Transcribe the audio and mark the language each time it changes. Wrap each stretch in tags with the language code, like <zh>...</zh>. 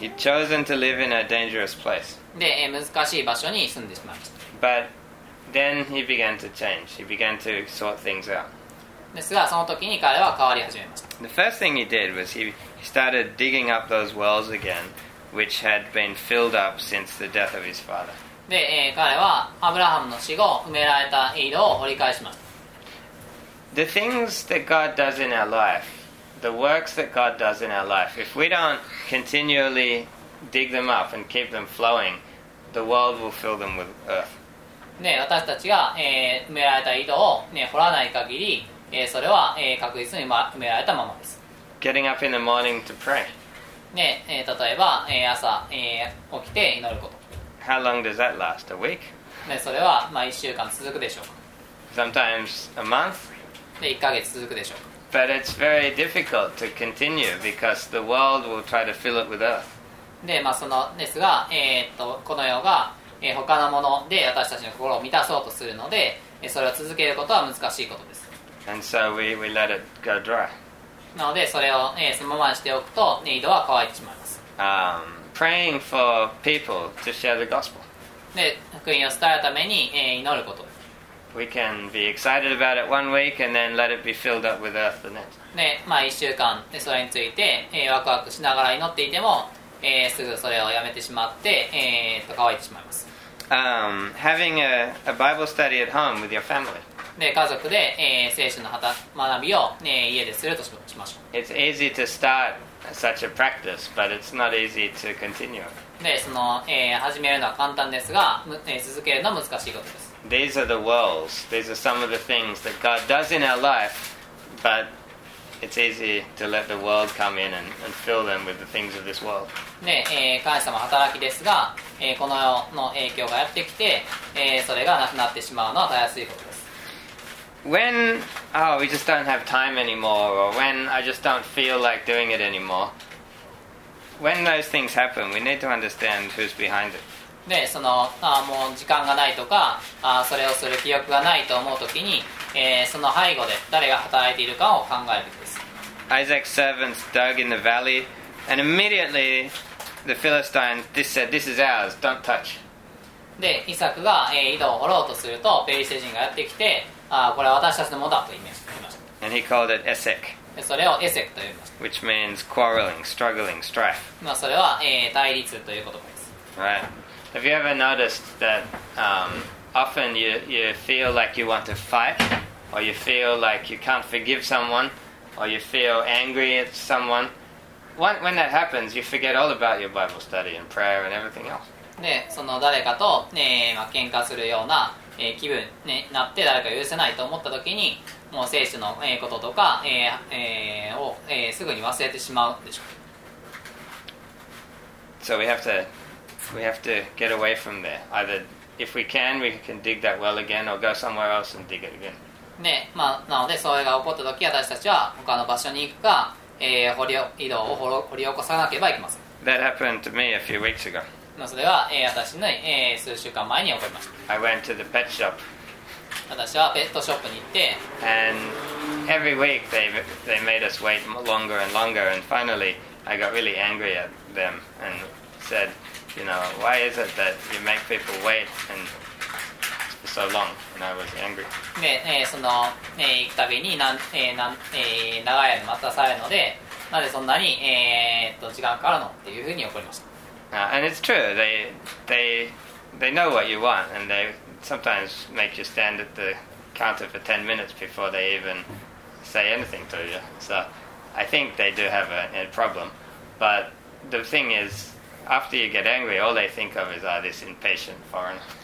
<en>He'd chosen to live in a dangerous place.</en> <ja>で、難しい場所に住んでしまいました。</ja> <en>But then he began to change. He began to sort things out.</en> <ja>ですが、その時に彼は変わり始めました。</ja> <en>The first thing he did was he started digging up those wells again, which had been filled up since the death of his father.</en> <ja>で、彼はアブラハムの死後、埋められた井戸を掘り返しました。</ja> <en>The things that God does in our life, the works that God does in our life, if we don't continually dig them up and keep them flowing, the world will fill them with earth.</en> <ja>ね、私たちが、埋められた井戸を、ね、掘らない限り、それは、確実に埋められたままです。</ja> <en>Getting up in the morning to pray.</en> <ja>ね、例えば、朝、起きて祈ること。</ja> <en>How long does that last? A week?</en> <ja>ね、それは、まあ、1週間続くでしょうか。</ja> <en>Sometimes a month?</en> <ja>で1ヶ月続くでしょう。</ja> <en>But it's very difficult to continue because the world will try to fill it with earth.</en> <ja>で、まあ、そのですが、この世が、他のもので私たちの心を満たそうとするので、それを続けることは難しいことです。</ja> <en>And so we let it go dry.</en> <ja>なので、それを、そのままにしておくと、井戸は乾いてしまいます。</ja> <en>Praying for people to share the gospel.</en> <ja>で、福音を伝えるために、祈ることです。</ja> <en>We can be excited about it 1 week and then let it be filled up with earth the next.</en> <ja>で、まあ、1週間でそれについて、ワクワクしながら祈っていても、すぐそれをやめてしまって、乾いてしまいます。</ja> <en>Having a Bible study at home with your family.</en> <ja>で、家族で、聖書の学びを、家でするとしましょう。</ja> <en>It's easy to start such a practice, but it's not easy to continue.</en> <ja>で、その、始めるのは簡単ですが、続けるのは難しいことです。</ja> <en>These are the walls. These are some of the things that God does in our life, but it's easy to let the world come in and fill them with the things of this world.</en> <ja>で、神様の働きですが、この世の影響がやってきて、それがなくなってしまうのはたやすいことです。</ja> <en>When, we just don't have time anymore, or when I just don't feel like doing it anymore, when those things happen, we need to understand who's behind it.</en> <ja>で、その、もう時間がないとか、それをする気力がないと思うときに、その背後で誰が働いているかを考えるべきです。</ja> <en>Isaac's servants dug in the valley, and immediately the Philistines said, "This is ours, don't touch."</en> <ja>で、イサクが、井戸を掘ろうとすると、ペリシテ人がやってきて、これは私たちのものだと言いました。</ja> <en>And he called it Esek.</en> <ja>で、それをエセクと言いました。</ja> <en>Which means quarreling, struggling, strife.</en> <ja>まあ、それは、対立という言葉です。</ja> <en>Right. Have you ever noticed that, often you feel like you want to fight, or you feel like you can't forgive someone, or you feel angry at someone. When that happens, you forget all about your Bible study and prayer and everything else.</en> <ja>で、その誰かと、まあ、喧嘩するような、気分になって誰か許せないと思った時に、もう聖書の、こととか、を、すぐに忘れてしまうでしょう。</ja> <en>So we have to get away from there. Either if we can, we can dig that well again, or go somewhere else and dig it again.</en> <ja>ね、まあ、なので、それが起こった時、私たちは他の場所に行くか、井戸を掘り起こさなければいけません。</ja> <en>That happened to me a few weeks ago.</en> <ja>まあ、それは、私の、数週間前に起こりました。</ja> <en>I went to the pet shop.</en> <ja>私はペットショップに行って、</ja> <en>And every week they made us wait longer and longer, and finally I got really angry at them and said,You know, why is it that you make people wait and for so long? And I was angry.</en> <ja>で、その、行くたびに長い間待たされるので、なぜそんなに、時間かかるのっていうふうに怒りました。</ja> <en>And it's true. They know what you want, and they sometimes make you stand at the counter for 10 minutes before they even say anything to you. So I think they do have a problem. But the thing is,After you get angry, all they think of is, this impatient foreigner.</en>